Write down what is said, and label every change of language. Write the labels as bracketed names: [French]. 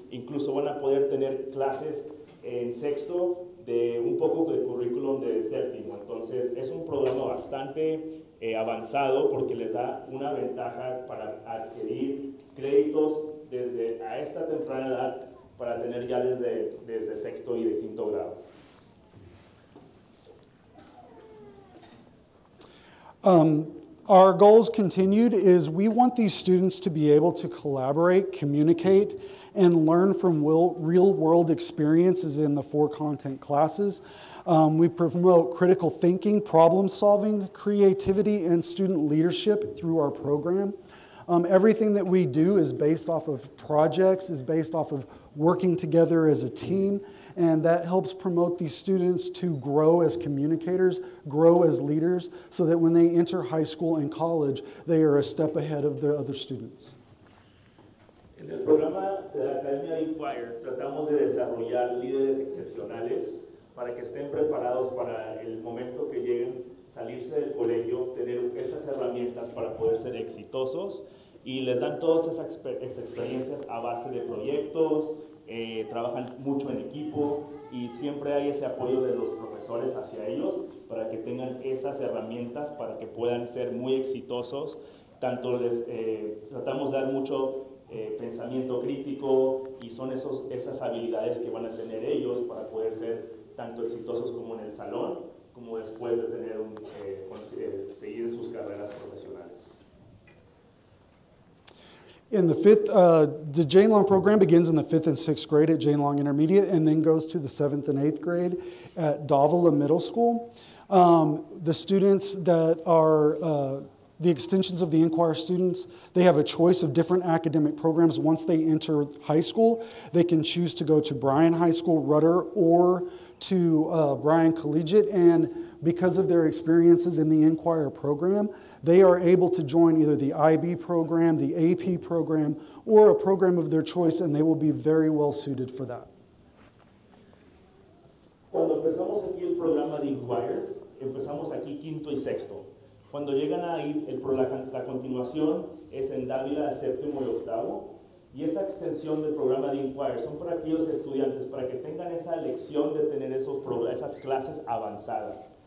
[Spanish] Incluso van a poder tener clases en sexto de un poco de currículum de séptimo. Entonces, es un programa bastante avanzado porque les da una ventaja para adquirir créditos desde a esta temprana edad para tener ya desde sexto y de quinto grado. [English] Our goals continued is we want these students to be able to collaborate, communicate, and learn from real-world experiences in the four content classes. We promote critical thinking, problem-solving, creativity, and student leadership through our program. Everything that we do is based off of projects, is based off of working together as a team, and that helps promote these students to grow as communicators, grow as leaders, so that when they enter high school and college, they are a step ahead of the other students. [Spanish] En el programa de la Academia de Inquire, tratamos de desarrollar líderes excepcionales para que estén preparados para el momento que lleguen, salirse del colegio, tener esas herramientas para poder ser exitosos, y les dan todas esas experiencias a base de proyectos, trabajan mucho en equipo y siempre hay ese apoyo de los profesores hacia ellos para que tengan esas herramientas para que puedan ser muy exitosos. Tanto les tratamos de dar mucho pensamiento crítico y son esas habilidades que van a tener ellos para poder ser tanto exitosos como en el salón como después de seguir sus carreras profesionales. [English] In the fifth, the Jane Long program begins in the fifth and sixth grade at Jane Long Intermediate and then goes to the seventh and eighth grade at Davila Middle School. The students that are the extensions of the Inquire students, they have a choice of different academic programs. Once they enter high school, they can choose to go to Bryan High School, Rudder, or to Bryan Collegiate. And because of their experiences in the Inquire program, they are able to join either the IB program, the AP program, or a program of their choice, and they will be very well suited for that. [Spanish] Cuando empezamos aquí el programa de Inquire, empezamos aquí quinto y sexto. Cuando llegan ahí, la continuación es en Dávila, séptimo y octavo. Y esa extensión del programa de Inquire son para aquellos estudiantes, para que tengan esa elección de tener esas clases avanzadas.